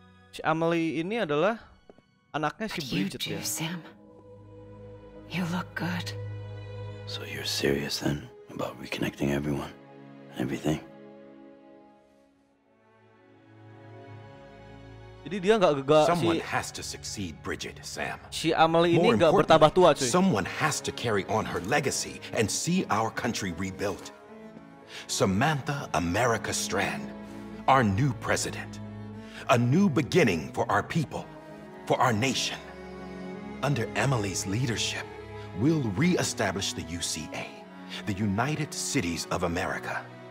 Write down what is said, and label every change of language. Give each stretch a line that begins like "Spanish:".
Indonesian: Si Emily ini adalah anaknya si Bridget ya.
English: Sam, you look good. So you're serious then about reconnecting everyone and everything?
Indonesian: Jadi dia enggak gegabah.
English: Someone has to succeed Bridget, Sam.
Indonesian: Si Amelie ini enggak bertambah tua, cuy.
English: Someone has to carry on her legacy and see our country rebuilt. Samantha America Strand, our new president. A new beginning for our people, for our nation. Under Amelie's leadership, we'll re-establish the UCA, the United Cities of America.